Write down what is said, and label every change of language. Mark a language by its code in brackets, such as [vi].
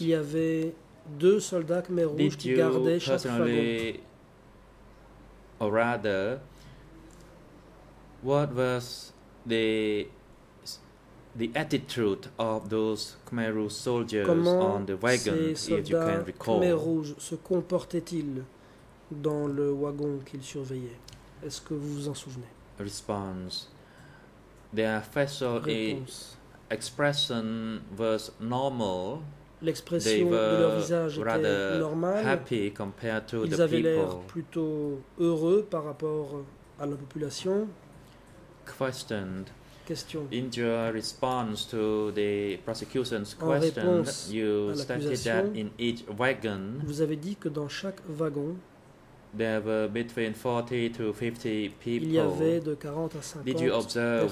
[fr] Il y avait deux soldats Khmer-Rouge qui gardaient chaque wagon. [en] Did you personally, or rather, what was the attitude of those Khmer Rouge soldiers [fr] comment [en] on the wagon, if you can recall? [fr] Khmer Rouge se comportaient-ils dans le wagon qu'ils surveillaient? Est-ce que vous vous en souvenez? [en] Response. Their facial expression was normal. [fr] L'expression de leur visage était normale. [en] Happy compared to [fr] ils [en] the [fr] avaient [en] people. [fr] L'air plutôt heureux par rapport à la population. [en] Questioned. [fr] Question. [en] In your response to the prosecution's question, you stated that in each wagon, [fr] vous avez dit que dans chaque wagon, [en] there were between 40 to 50 people. [fr] Il y avait de 40 à 50 [en] did you observe